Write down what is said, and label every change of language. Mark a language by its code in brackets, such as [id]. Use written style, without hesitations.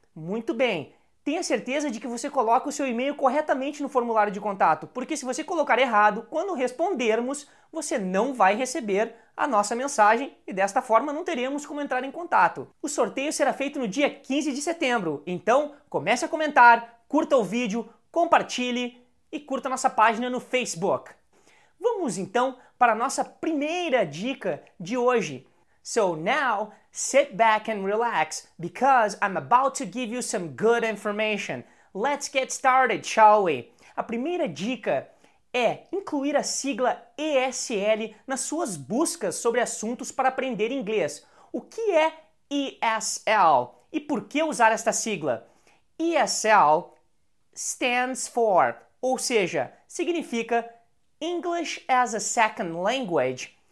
[pt] Muito bem, tenha certeza de que você coloca o seu e-mail corretamente no formulário de contato, porque se você colocar errado, quando respondermos, você não vai receber a nossa mensagem e desta forma não teremos como entrar em contato. O sorteio será feito no dia 15 de setembro, então comece a comentar, curta o vídeo, compartilhe e curta nossa página no Facebook. Vamos então para a nossa primeira dica de hoje. [en] So now, sit back and relax, because I'm about to give you some good information. Let's get started, shall we? [pt] A primeira dica é incluir a sigla ESL nas suas buscas sobre assuntos para aprender inglês. O que é ESL? E por que usar esta sigla? [en] ESL stands for, [pt] ou seja, significa [en] English as a Second Language.